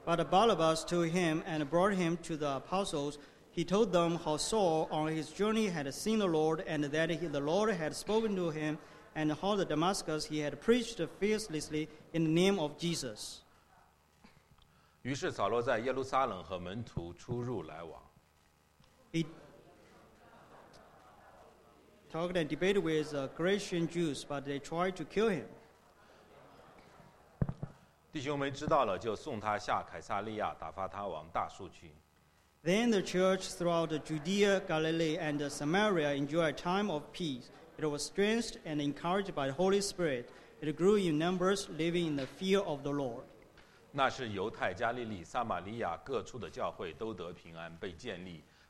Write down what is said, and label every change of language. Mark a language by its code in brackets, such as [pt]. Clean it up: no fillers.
[en] Barnabas took him and brought him to the apostles. He told them how Saul, on his journey, had seen the Lord, and that the Lord had spoken to him, and how the Damascus he had preached fearlessly in the name of Jesus. [zh] 于是扫罗在耶路撒冷和门徒出入来往。 [en] Talked and debated with Christian Jews, but they tried to kill him. [zh] 弟兄们知道了，就送他下凯撒利亚，打发他往大树去。 [en] Then the church throughout Judea, Galilee, and Samaria enjoyed a time of peace. It was strengthened and encouraged by the Holy Spirit. It grew in numbers, living in the fear of the Lord. [zh] 那是犹太、加利利、撒玛利亚各处的教会都得平安，被建立。